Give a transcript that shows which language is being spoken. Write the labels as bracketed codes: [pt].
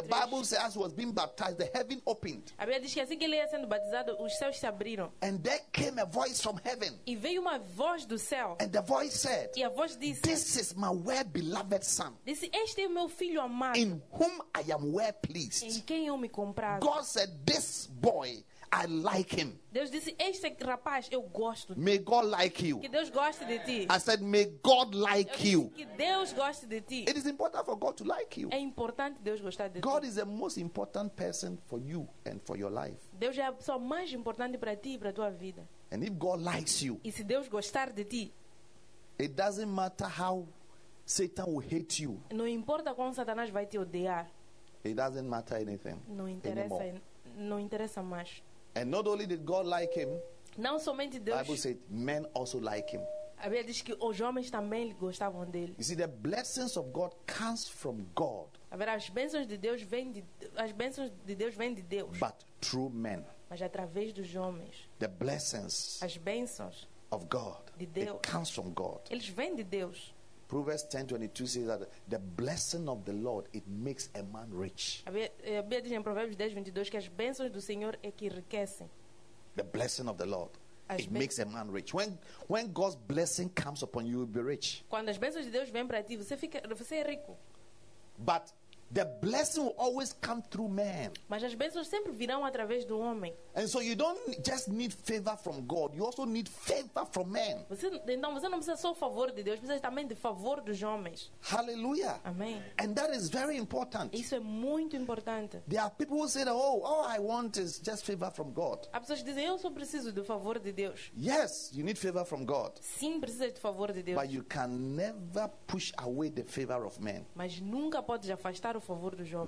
[en] the Bible says as he was being baptized, the heaven opened. [pt] A Bíblia diz que assim que ele ia sendo batizado, os céus se abriram. [en] And there came a voice from heaven. [pt] E veio uma voz do céu. [en] And the voice said, [pt] e a voz disse, [en] this is my well beloved son. [pt] Disse, este é meu filho amado. [en] In whom I am well pleased. [pt] Em quem eu me comprazo. [en] God said, this boy, I like him. [pt] Deus disse, este rapaz, eu gosto. [en] May God like you. [pt] Que Deus goste de ti. [en] I said, may God like you. [pt] Que Deus goste de ti. [en] It is important for God to like you. [pt] É importante Deus gostar de ti. [en] God is the most important person for you and for your life. [pt] Deus é a pessoa mais importante para ti e para tua vida. [en] And if God likes you, [pt] e se Deus gostar de ti, [en] it doesn't matter how Satan will hate you. [pt] Não importa como Satanás vai te odiar. [en] It doesn't matter anything. [pt] Não interessa. Não interessa mais. [en] And not only did God like him, [pt] não somente Deus, [en] Bible said men also like him. [pt] A Bíblia diz que os homens também gostavam dele. [en] You see, the blessings of God comes from God. [pt] As bênçãos de Deus vêm de Deus. [en] But through men. [pt] mas através dos homens. [en] The blessings, [pt] as bênçãos [en] of God, [pt] de Deus, [en] they comes from God. [pt] Eles vêm de Deus. [en] Proverbs 10:22 says that the blessing of the Lord, it makes a man rich. [pt] A Bíblia diz em Provérbios 10:22 que as bênçãos do Senhor é que enriquecem. [en] The blessing of the Lord, it makes a man rich. When God's blessing comes upon you, you'll be rich. [pt] Quando as bênçãos de Deus vêm para ti, você é rico. [en] But the blessing will always come through man. [pt] Mas as bênçãos sempre virão através do homem. [en] And so you don't just need favor from God, you also need favor from man. [pt] Você não precisa só favor de Deus, precisa também de favor dos homens. [en] Hallelujah. [pt] Amém. [en] And that is very important. [pt] Isso é muito importante. [en] There are people who say that, oh, all I want is just favor from God. [pt] Há pessoas que dizem, eu só preciso do favor de Deus. [en] Yes, you need favor from God. [pt] Sim, precisa de favor de Deus. [en] But you can never push away the favor of man. [pt] Mas nunca pode afastar o favor dos homens.